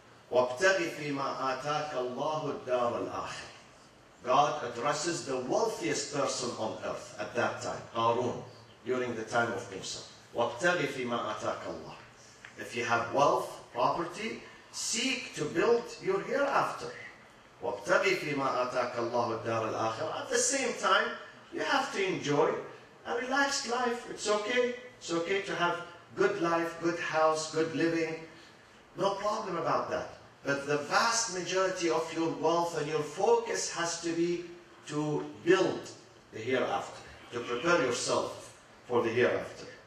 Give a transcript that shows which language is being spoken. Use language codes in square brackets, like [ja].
[ar] وَابْتَغِ فِي مَا آتَاكَ اللَّهُ الدَّارَ الْآخِرَ. [en] God addresses the wealthiest person on earth at that time, Harun, during the time of Musa. [ar] وَابْتَغِ فِي مَا أَتَاكَ اللَّهُ. [en] If you have wealth, property, seek to build your hereafter. [ar] وابتغي فيما آتاك الله الدار الآخرة. [en] At the same time, you have to enjoy a relaxed life. It's okay. It's okay to have good life, good house, good living. No problem about that. But the vast majority of your wealth and your focus has to be to build the hereafter, to prepare yourself for the hereafter.